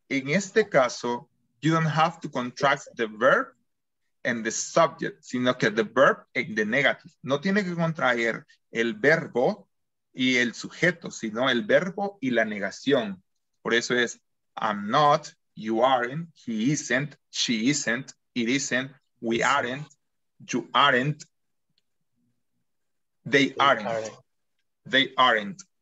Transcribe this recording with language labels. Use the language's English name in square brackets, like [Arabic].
[Spanish] En este caso, [English] you don't have to contract the verb and the subject, [Spanish] sino que [English] the verb and the negative. [Spanish] No tiene que contraer el verbo y el sujeto, sino el verbo y la negación. Por eso es, [English] I'm not, you aren't, he isn't, she isn't, it isn't, we aren't, you aren't, they aren't, they aren't.